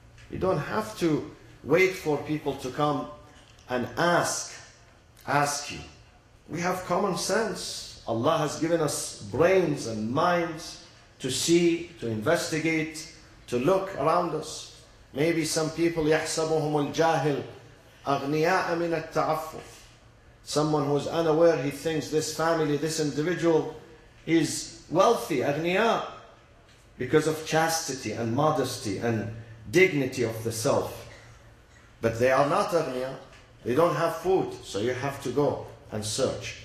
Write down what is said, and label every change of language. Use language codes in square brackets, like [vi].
[en] You don't have to wait for people to come and ask you. We have common sense. Allah has given us brains and minds to see, to investigate, to look around us. Maybe some people, [ar] يَحْسَبُهُمُ الْجَاهِلُ أَغْنِيَاءَ مِنَ التَّعَفُّفِ. [en] Someone who is unaware, he thinks this family, this individual is wealthy, agniya, because of chastity and modesty and dignity of the self. But they are not agniya. They don't have food, so you have to go and search.